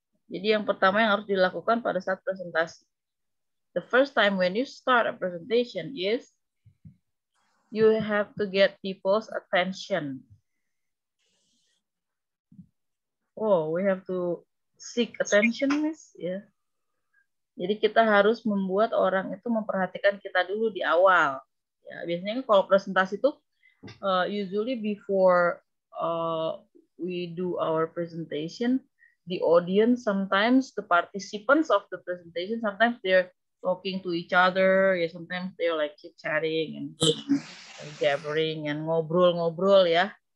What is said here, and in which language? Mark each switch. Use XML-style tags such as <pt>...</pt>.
<id>Jadi yang pertama yang harus dilakukan pada saat presentasi.</id> <en>The first time when you start a presentation is you have to get people's attention. Oh, we have to seek attention, miss. Yeah.</en> <id>Jadi kita harus membuat orang itu memperhatikan kita dulu di awal. Ya, biasanya kalau presentasi itu</id> <en>usually before we do our presentation, the audience sometimes, the participants of the presentation, sometimes they're talking to each other, yeah, sometimes they're like chit-chatting and gathering and</en> <id>ngobrol-ngobrol, ya.</id>